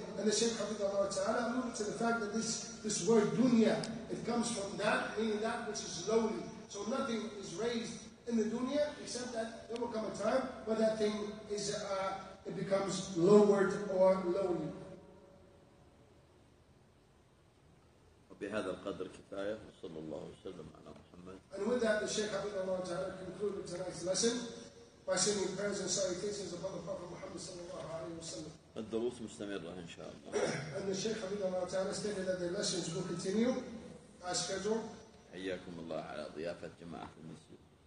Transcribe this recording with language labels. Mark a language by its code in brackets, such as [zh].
[en] And the Shaykh Habibullah ta'ala alluded to the fact that this word dunya, it comes from that, meaning that which is lowly. So nothing is raised in the dunya, except that there will come a time where that thing is, it becomes lowered or lowly. [ar] بهذا القدر كفاية، وصلى الله وسلم على محمد. [en] And with that, the Shaykh Habibullah ta'ala concluded tonight's lesson by sending prayers and salutations upon the Prophet Muhammad sallallahu alaihi wasallam. الدعاء [ar] الدروس مستمرة إن شاء الله. أن الشيخ حفظه الله تعالى [en] stated that the lessons will continue as scheduled. [ar] حياكم الله على ضيافة جماعة المسجد.